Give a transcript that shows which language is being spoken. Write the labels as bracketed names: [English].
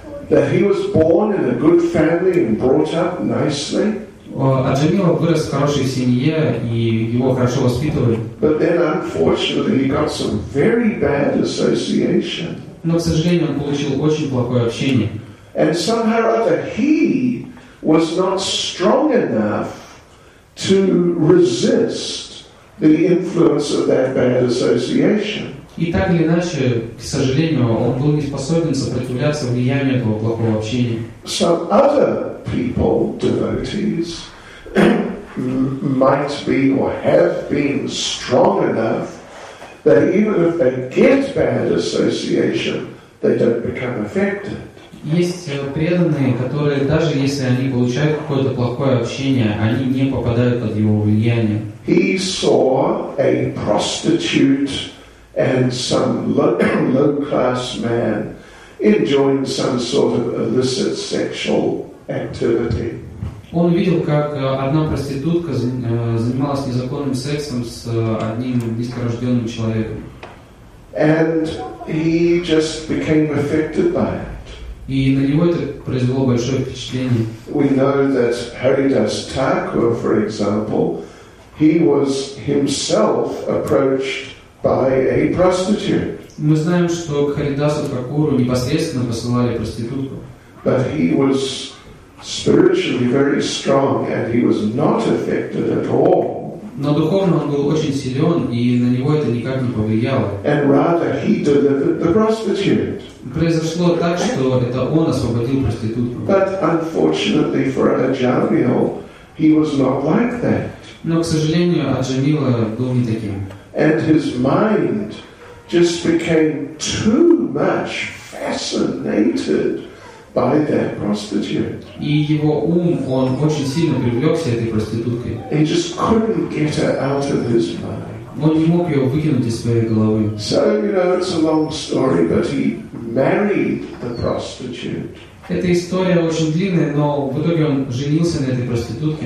[English] That he was born in a good family and brought up nicely. [Russian] Аджамила вырос в хорошей семье и его хорошо воспитывали. [English] But then, unfortunately, he got some very bad association. [Russian] Но, к сожалению, он получил очень плохое общение. [English] And somehow or other he was not strong enough to resist the influence of that bad association. [Russian] И так или иначе, к сожалению, он был не способен сопротивляться влиянию этого плохого общения. [English] Some other people, devotees, might be or have been strong enough that even if they get bad association, they don't become affected. [Russian] Есть преданные, которые даже если они получают какое-то плохое общение, они не попадают под его влияние. [English] He saw a prostitute and some low-class man enjoying some sort of illicit sexual activity. [Russian] Он видел, как одна проститутка занималась незаконным сексом с одним низкорожденным человеком. [English] And he just became affected by it. [Russian] И на него это произвело большое впечатление. [English] We know that Haridas Thakur, for example, he was himself approached by a prostitute. [Russian] Мы знаем, что к Харидасу Такуру непосредственно посылали проститутку. [English] But he was spiritually very strong, and he was not affected at all. [Russian] Но духовно он был очень силен, и на него это никак не повлияло. [English] And rather he delivered the prostitute. [Russian] Произошло так, что это он освободил проститутку. [English] But unfortunately for Аджамил, he was not like that. [Russian] Но, к сожалению, Аджамила был не таким. [English] And his mind just became too much fascinated by that prostitute. [Russian] И его ум, он очень сильно привлекся этой проституткой. [English] He just couldn't get her out of his mind. [Russian] Он не мог ее выкинуть из своей головы. [English] So, you know, it's a long story, but he married the prostitute. [Russian] Эта история очень длинная, но в итоге он женился на этой проститутке.